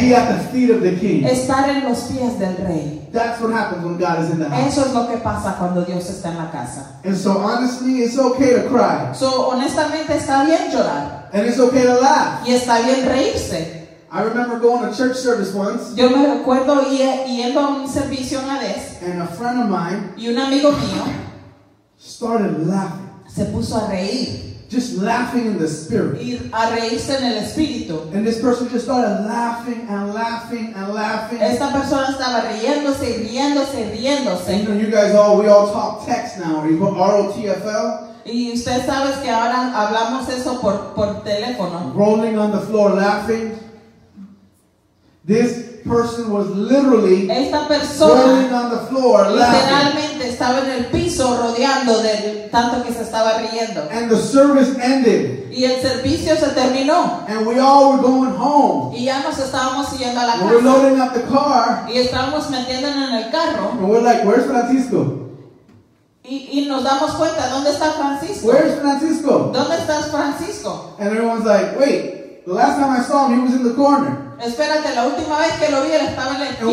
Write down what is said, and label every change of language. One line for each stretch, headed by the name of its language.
English: is be at the feet of the king.
Spanish: Estar en los pies del rey.
English: That's what happens when God is in the house.
Spanish: Eso es lo que pasa cuando Dios está en la casa.
English: And so honestly, it's okay to cry.
Spanish: So honestamente está bien llorar.
English: And it's okay to laugh.
Spanish: Y está bien reírse.
English: I remember going to church service once.
Spanish: Yo me recuerdo yendo a un servicio una vez.
English: And a friend of mine.
Spanish: Y un amigo mío.
English: Started laughing.
Spanish: Se puso a reír.
English: Just laughing in the spirit.
Spanish: Y a reírse en el espíritu.
English: And this person just started laughing and laughing and laughing.
Spanish: Esta persona estaba riéndose y riéndose y riéndose.
English: You know, you guys all, we all talk text now. Are you ROTFL?
Spanish: Y usted sabe que ahora hablamos eso por teléfono.
English: Rolling on the floor laughing. This person was literally rolling on the floor
Spanish: literalmente
English: laughing.
Spanish: Estaba en el piso rodeando de tanto que se estaba riendo.
English: And the service ended.
Spanish: Y el servicio se terminó.
English: And we all were going home.
Spanish: Y ya nos estábamos yendo a la casa.
English: We're loading up the car.
Spanish: Y estábamos metiéndonos en el carro.
English: And we're like, where's Francisco?
Spanish: Y nos damos cuenta, ¿dónde está Francisco?
English: Where's Francisco?
Spanish: ¿Dónde estás Francisco?
English: And everyone's like, wait, the last time I saw him, he was in the corner.
Spanish: Espérate, la última vez que lo vi, él estaba en la esquina.